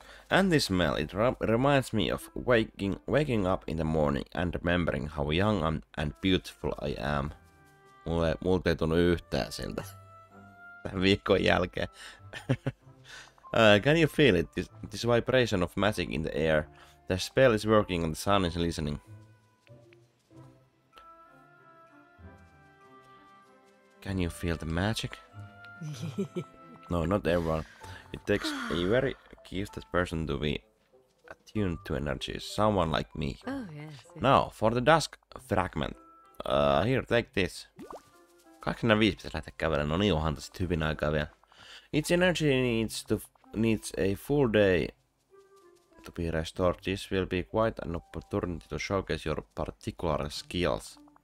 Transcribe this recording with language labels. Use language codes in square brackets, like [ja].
[en] And this smell, it reminds me of waking up in the morning and remembering how young and beautiful I am. [fi] Mulle ei tunnu yhtään siltä. Tämän viikon jälkeen. [en] Can you feel it? This vibration of magic in the air. The spell is working and the sun is listening. Can you feel the magic? No, not everyone. It takes a very gifted person to be attuned to energy. Someone like me. Oh, yes. Now, for the dusk fragment. Here, take this. [fi] 25 pitäisi lähteä kävelemään. No niin, onhan tässä hyvin aikaa vielä. [en] Its energy needs a full day to be restored. This will be quite an opportunity to showcase your particular skills.